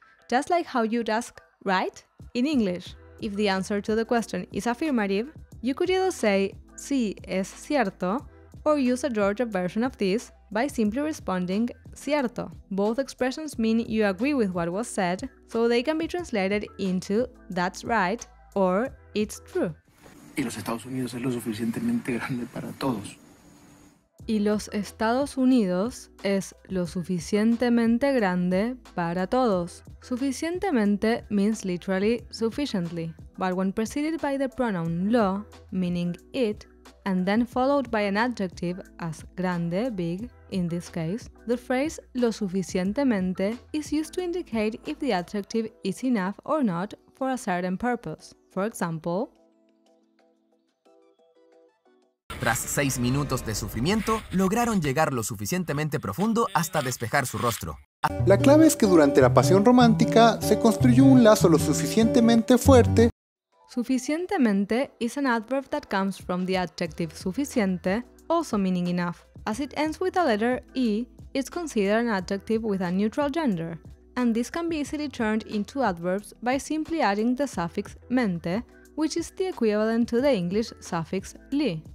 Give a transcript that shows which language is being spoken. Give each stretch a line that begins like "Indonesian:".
English: Just like how you'd ask, right? In English. If the answer to the question is affirmative, you could either say,
Spanish: sí, es cierto,
English: or use a Georgia version of this by simply responding, cierto. Both expressions mean you agree with what was said, so they can be translated into, that's right, or it's true.
Spanish: Y los Estados Unidos es lo suficientemente grande para todos. Y los Estados Unidos es lo suficientemente grande para todos.
English: Suficientemente means literally sufficiently, but when preceded by the pronoun lo, meaning it, and then followed by an adjective as grande, big, in this case, the phrase lo suficientemente is used to indicate if the adjective is enough or not for a certain purpose. For example,
Spanish: tras 6 minutos de sufrimiento, lograron llegar lo suficientemente profundo hasta despejar su rostro. La clave es que durante la pasión romántica se construyó un lazo lo suficientemente fuerte.
English: Suficientemente is an adverb that comes from the adjective suficiente, also meaning enough. As it ends with the letter E, it's considered an adjective with a neutral gender, and this can be easily turned into adverbs by simply adding the suffix mente, which is the equivalent to the English suffix li.